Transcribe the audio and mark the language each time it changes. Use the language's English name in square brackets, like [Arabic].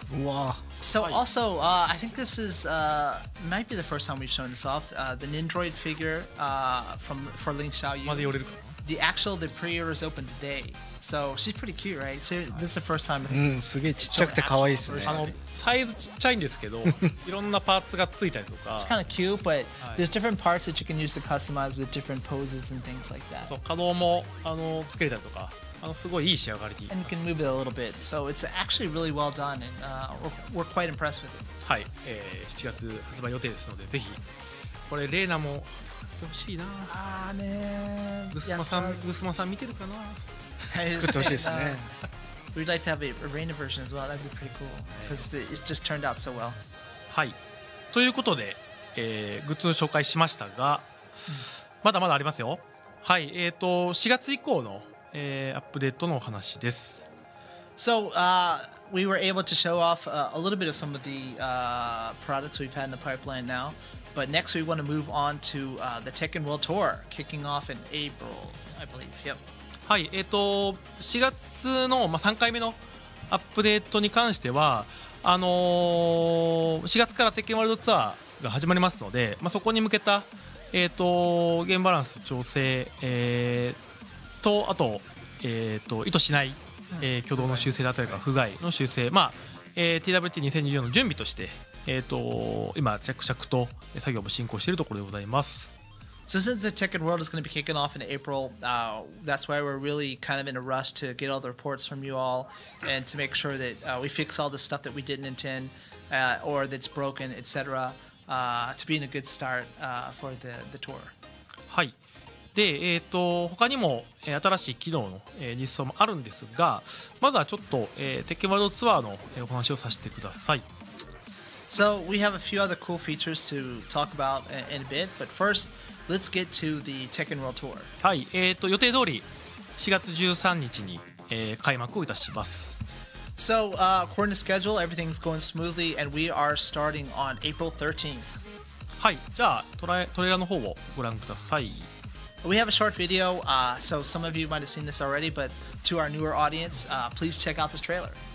[Japanese] うわ。 [English] So、はい、also, I think this is might be the first time we've shown this off. The Nendoroid figure from for Lin Xiaoyu. [Japanese] まだ寄れるか。 [English] The actual the pre-order is open today. So she's pretty cute, right? So this is the first time. [Japanese] うん、すげえちっちゃくて可愛いですね。あのサイズちっちゃいんですけど、いろんなパーツがついたりとか。 [English] It's kind of cute, but there's different parts that you can use to customize with different poses and things like that. [Japanese] そう、可動もあのつけれたりとか、あのすごいいい仕上がりで。 [English] And you can move it a little bit, so it's actually really well done, and we're quite impressed with it. [Japanese] はい、7月発売予定ですので、ぜひこれレイナも買ってほしいな。あーねー。グスマさん、グスマさん見てるかな。作ってほしいですね。 [English] We'd like to have a Reina version as well. That'd be pretty cool because it just turned out so well. [Japanese] はい。ということで、グッズの紹介しましたが、まだまだありますよ。はい。 4月以降の、アップデートのお話です。 [English] So, we were able to show off a little bit of some of the products we've had in the pipeline now. But next, we want to move on to the Tekken World Tour, kicking off in April, I believe. Yep. [Japanese] はい、4月の、まあ、3回目のアップデートに関しては、4月から鉄拳ワールドツアーが始まりますので、まあ、そこに向けた、ゲームバランス調整、とあと、意図しない、挙動の修正だったりとか不具合の修正、まあ TWT2024 の準備として、今着々と作業も進行しているところでございます。 [English] So since the Tekken World is going to be kicking off in April, that's why we're really kind of in a rush to get all the reports from you all and to make sure that we fix all the stuff that we didn't intend or that's broken, etc. To be in a good start for the tour. [Japanese] はい。で、他にも新しい機能の実装もあるんですが、まずはちょっと Tekken World ツアーのお話をさせてください。 [English] So we have a few other cool features to talk about in a bit, but first,Let's get to the Tekken World Tour. [Japanese] はい、予定通り4月13日に、開幕をいたします。 [English] So, according to schedule, everything's going smoothly and we are starting on April 13th. [Japanese] はい、じゃあトレーラーの方をご覧ください。 [English] We have a short video, so some of you might have seen this already, but to our newer audience, please check out this trailer.